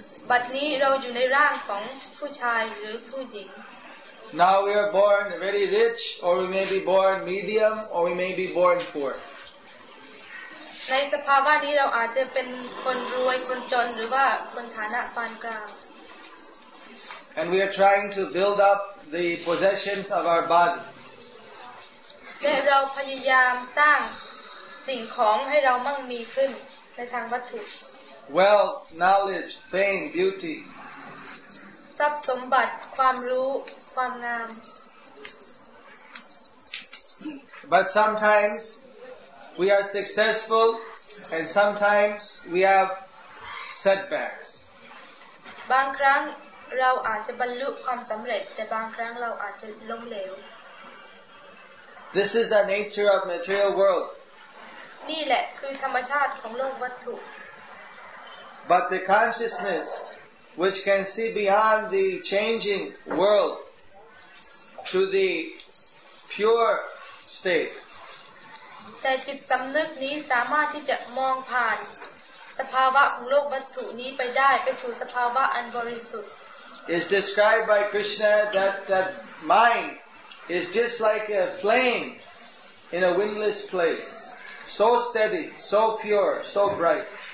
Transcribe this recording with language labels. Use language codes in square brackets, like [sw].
[th] บัดนี้เราอยู่ในร่างของผู้ชายหรือผู้หญิง [en] Now we are born very rich or we may be born medium or we may be born poor [th] ในสภาวะนี้เราอาจจะเป็นคนรวยคนจนหรือว่าคนฐานะปานกลาง [en] And we are trying to build up the possessions of our body [th] และเราพยายามสร้างสิ่งของให้เรามั่งมีขึ้นในทางวัตถุ [en] Wealth, knowledge, fame, beauty [th] ทรัพย์สมบัติความรู้ความงาม [en] But sometimes we are successful and sometimes we have setbacks [th] บางครั้งเราอาจจะบรรลุความสำเร็จแต่บางครั้งเราอาจจะล้มเหลว [en] This is the nature of material world. [th] นี่แหละคือธรรมชาติของโลกวัตถุ [en] But the consciousness which can see beyond the changing world to the pure state. [th] แต่จิตสำนึกนี้สามารถที่จะมองผ่านสภาวะของโลกวัตถุนี้ไปได้ไปสู่สภาวะอันบริสุทธิ์ [en] It's described by Krishna that that mind is just like a flame in a windless place so steady so pure so bright